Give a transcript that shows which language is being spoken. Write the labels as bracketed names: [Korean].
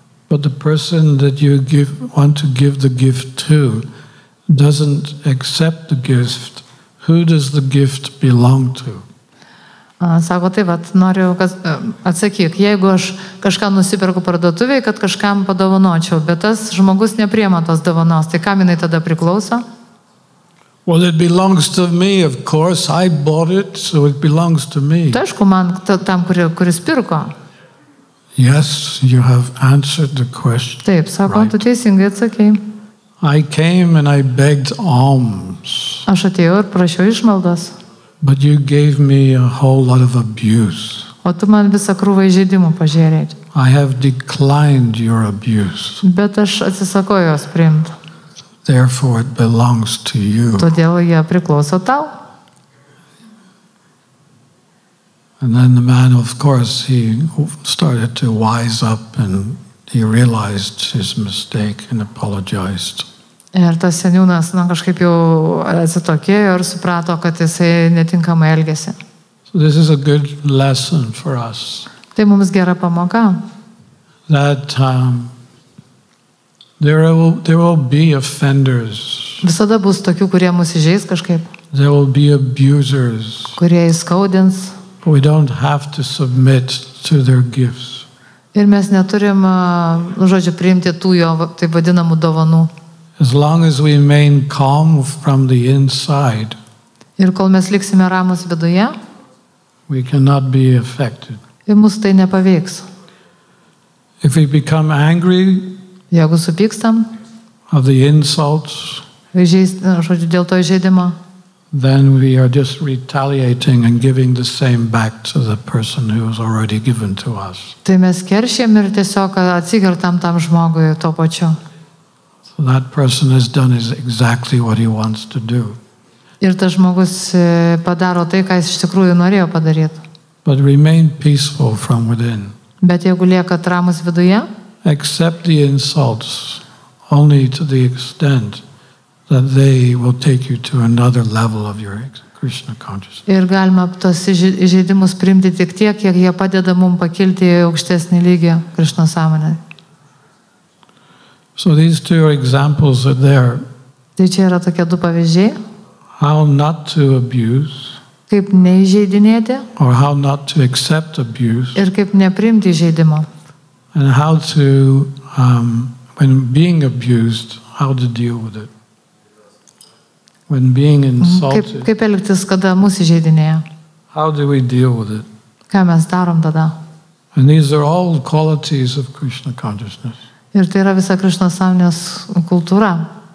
[English] But the person that you give, want to give the gift to doesn't accept the gift. Who does the gift belong to? [Lithuanian] Sako, tai vat, noriu, kas, atsakyk, jeigu aš kažką nusiperku parduotuvėje, kad kažkam padovanočiau, bet tas žmogus nepriema tos dovanos, tai kam jinai tada priklauso? [English] Well, it belongs to me, of course. I bought it, so it belongs to me. [Lithuanian] Tai aišku, man tam, kuris pirko. [English] Yes, you have answered the question. [Lithuanian] Taip, sako, right. Tu teisingai atsakėjai. [English] I came and I begged alms. [Lithuanian] Aš atėjau ir prašiau išmaldos. [English] But you gave me a whole lot of abuse. [Lithuanian] O tu man visą krūvą įžeidimų pažėrėjai. [English] I have declined your abuse. [Lithuanian] Bet aš atsisakau jos priimti. [English] Therefore it belongs to you. [Lithuanian] Todėl jie priklauso tau. [English] And then the man, of course, he started to wise up and he realized his mistake and apologized. [Lithuanian] Ir tas seniūnas, na, kažkaip jau atsitokėjo ir suprato, kad jisai netinkamai elgėsi. [English] So this is a good lesson for us. [Lithuanian] Tai mums gera pamoka. [English] That there will be offenders. [Lithuanian] Visada bus tokių, kurie mus įžeis kažkaip. [English] There will be abusers. [Lithuanian] Kurie įskaudins. [English] We don't have to submit to their gifts. [Lithuanian] Ir mes neturim, žodžiu, priimti tų jo taip vadinamų dovanų. [English] As long as we remain calm from the inside. [Lithuanian] Ir kol mes liksime ramus viduje, [English] we cannot be affected. [Lithuanian] Ir mus tai nepaveiks. [English] If we become angry, [Lithuanian] jeigu supykstam, [English] of the insults, [Lithuanian] žodžiu, dėl to įžeidimo, [English] then we are just retaliating and giving the same back to the person who was already given to us. [Lithuanian] Tai mes keršijam ir tiesiog atsigertam tam žmogui to pačiu. [English] So that person has done is exactly what he wants to do. [Lithuanian] Ir tas žmogus padaro tai, ką jis iš tikrųjų norėjo padaryti. [English] But remain peaceful from within. [Lithuanian] Bet jeigu lieka ramus viduje, [English] accept the insults only to the extent that they will take you to another level of your Krishna consciousness. [Lithuanian] Ir galima tos įžeidimus priimti tik tiek, kiek jie padeda mum pakilti į aukštesnį lygį Krishna sąmonę. [English] So these two are examples that there. [Lithuanian] Tai čia yra tokie du pavyzdžiai. [English] How not to abuse. [Lithuanian] Kaip neįžeidinėti. [English] Or how not to accept abuse. [Lithuanian] Ir kaip nepriimti įžeidimo. [English] And how to when being abused, how to deal with it. When being insulted. [Lithuanian] Kaip elgtis, kada mus įžeidinėja. [English] How do we deal with it? [Lithuanian] Ką mes darom tada? [English] And these are all qualities of Krishna consciousness. [Lithuanian] Ir tai yra visa Krishna sąmonės kultūra.